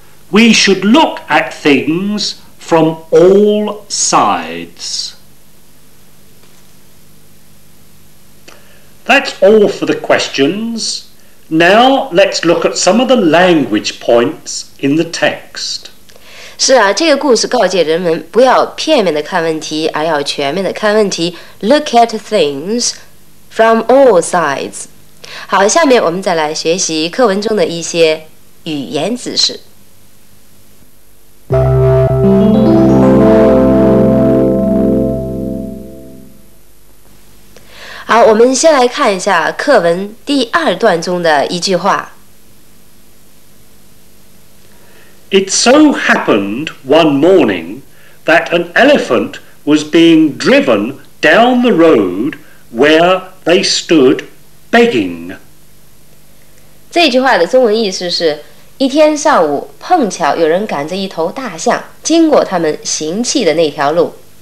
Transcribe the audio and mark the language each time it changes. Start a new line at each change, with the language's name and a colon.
English: We should look at things from all sides. That's all for the questions. Now let's look at some of the language points in the text.
Chinese: 是啊，这个故事告诫人们不要片面的看问题，而要全面的看问题。
English: Look at things from all sides。
Chinese: 好，下面我们再来学习课文中的一些语言知识。好，我们先来看一下课文第二段中的一句话。
English: It so happened one morning that an elephant was being driven down the road where they stood begging.
Chinese: 这句话的中文意思是，一天上午碰巧有人赶着一头大象经过他们行乞的那条路。